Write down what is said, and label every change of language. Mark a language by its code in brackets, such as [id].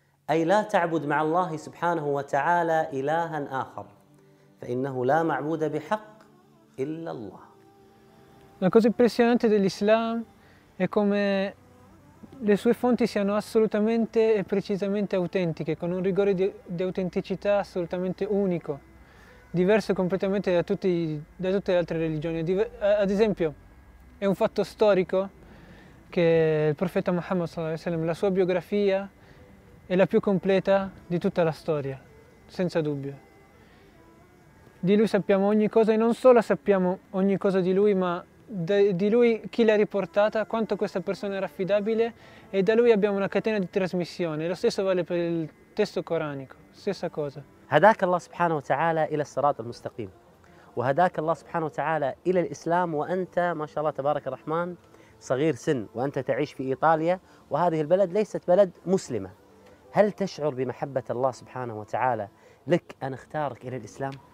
[ar] أي لا تعبد مع الله سبحانه وتعالى إلها آخر فإنه لا معبود بحق إلا الله. [it] La cosa impressionante dell'Islam è come le sue fonti siano assolutamente e precisamente autentiche, con un rigore di autenticità assolutamente unico, diverso completamente da tutte le altre religioni. Ad esempio, è un fatto storico che il profeta Muhammad sallallahu alaihi wasallam, la sua biografia è la più completa di tutta la storia, senza dubbio. Di lui sappiamo ogni cosa e non solo sappiamo ogni cosa di lui, ma di lui chi l'ha riportata, quanto questa persona era affidabile e da lui abbiamo una catena di trasmissione. Lo stesso vale per il testo coranico, stessa cosa. [ar] هداك الله سبحانه وتعالى إلى الصراط المستقيم وهداك الله سبحانه وتعالى إلى الإسلام وأنت ما شاء الله تبارك الرحمن صغير سن وأنت تعيش في إيطاليا وهذه البلد ليست بلد مسلمة هل تشعر بمحبة الله سبحانه وتعالى لك أن اختارك إلى الإسلام؟